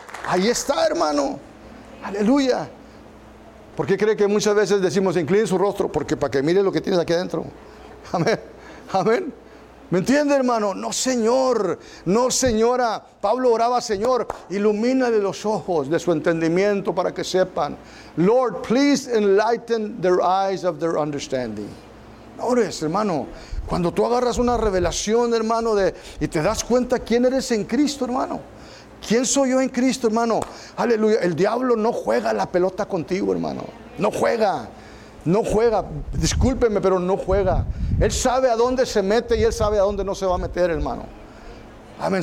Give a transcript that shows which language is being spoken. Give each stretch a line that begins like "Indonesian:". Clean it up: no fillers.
Spanish: Ahí está, hermano. Aleluya. ¿Por qué cree que muchas veces decimos, incline su rostro? Porque para que mire lo que tienes aquí adentro. Amén. Amén. ¿Me entiende, hermano? No, Señor. No, señora. Pablo oraba, Señor, ilumínale los ojos de su entendimiento para que sepan.
English: Lord, please enlighten their eyes of their understanding.
Spanish: Ores, hermano. Cuando tú agarras una revelación, hermano, de y te das cuenta quién eres en Cristo, hermano. ¿Quién soy yo en Cristo, hermano? Aleluya. El diablo no juega la pelota contigo, hermano. No juega. No juega. Discúlpeme, pero no juega. Él sabe a dónde se mete y él sabe a dónde no se va a meter, hermano. Amén.